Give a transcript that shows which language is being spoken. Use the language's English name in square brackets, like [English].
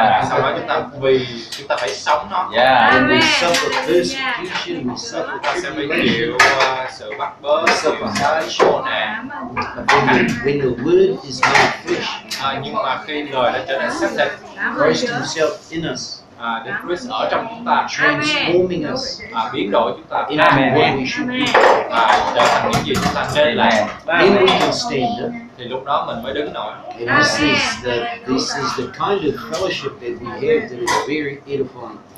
[Vietnamese] Sau đó chúng ta phải sống nó. [English] And we suffer persecution. We suffer tribulation. [Vietnamese] Sự bắt bớ, sự khổ nạn. [English] When the word is made flesh, [Vietnamese] nhưng mà khi lời đã trở nên xác thịt, [English] Christ Himself in us, [Vietnamese] the Christ ở trong chúng ta, [English] transforming us, [Vietnamese] biến đổi chúng ta, [English] in our way we should be, [Vietnamese] trở thành những gì chúng ta nên là, [English] then we can stand up. [Vietnamese] Thì lúc đó mình mới đứng nổi. [English] And this is the kind of fellowship that we have that is very edifying.